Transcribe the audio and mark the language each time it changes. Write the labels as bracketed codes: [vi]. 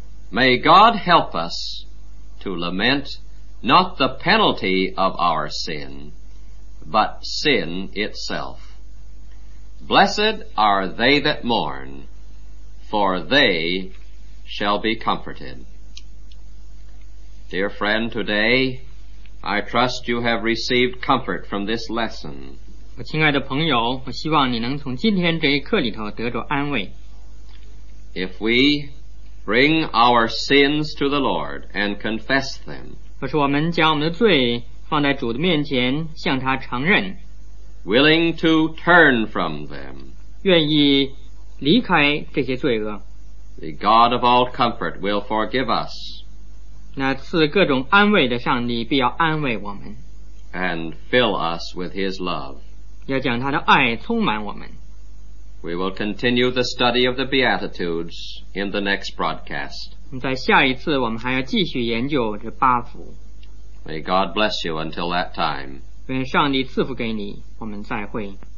[en] May God help us to lament not the penalty of our sin, but sin itself. Blessed are they that mourn, for they shall be comforted. Dear friend, today I trust you have received comfort from this lesson. [zh] 亲爱的朋友, 我希望你能从今天这一课里头得着安慰。 [en] If we bring our sins to the Lord and confess them, [zh] 若是我们将我们的罪放在主的面前, 向他承认, [en] willing to turn from them, [zh] 愿意离开这些罪恶, [en] the God of all comfort will forgive us, [zh] 那赐各种安慰的上帝必要安慰我们, [en] and fill us with his love, [zh] 要将他的爱充满我们。 [en] We will continue the study of the Beatitudes in the next broadcast. [zh] 在下一次我们还要继续研究这八福。 [en] May God bless you until that time. [zh] 愿上帝赐福给你，我们再会。